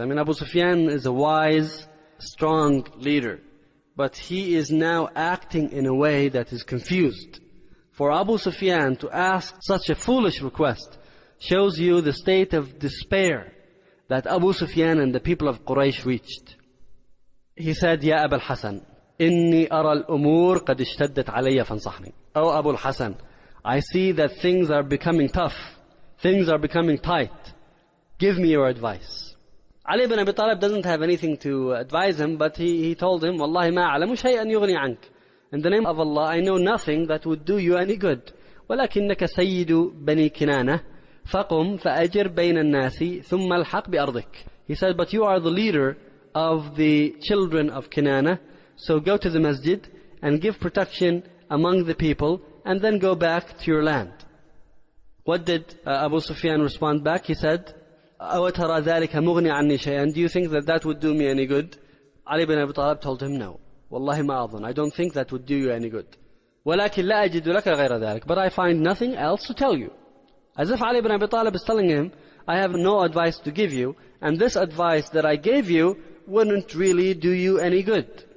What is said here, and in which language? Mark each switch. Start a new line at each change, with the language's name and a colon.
English: I mean, Abu Sufyan is a wise, strong leader. But he is now acting in a way that is confused. For Abu Sufyan to ask such a foolish request shows you the state of despair that Abu Sufyan and the people of Quraysh reached. He said,
Arabic: Ya Abu al-Hasan, إِنِّي أَرَى الْأُمُورِ قَدْ اشْتَدَّتْ عَلَيَّ فَانْصَحْنِي.
English: O Abu al-Hasan, I see that things are becoming tough. Things are becoming tight. Give me your advice. Ali ibn Abi Talib doesn't have anything to advise him, but he told him,
Arabic: وَاللَّهِ مَا عَلَمُ شَيْئًا يُغْنِي عَنْكَ.
English: In the name of Allah, I know nothing that would do you any good.
Arabic: وَلَكِنَّكَ سَيِّدُ بَنِي كِنَانَةِ فَقُمْ فَأَجِرْ بَيْنَ النَّاسِ ثُمَّ الْحَقْ بِأَرْضِكَ.
English: He said, but you are the leader of the children of Kinana, so go to the masjid and give protection among the people, and then go back to your land. What did Abu Sufyan respond back? He said,
Arabic: أَوَتَرَى ذَلِكَ مُغْنِي عَنِّي شَيْئًا.
English: Do you think that that would do me any good? Ali ibn Abi Talib told him, no.
Arabic: وَاللَّهِ مَا أَظُنُ.
English: I don't think that would do you any good.
Arabic: وَلَكِنْ لَا أَجِدُ لَكَ غَيْرَ ذَلِكَ.
English: But I find nothing else to tell you. As if Ali ibn Abi Talib is telling him, I have no advice to give you, and this advice that I gave you wouldn't really do you any good.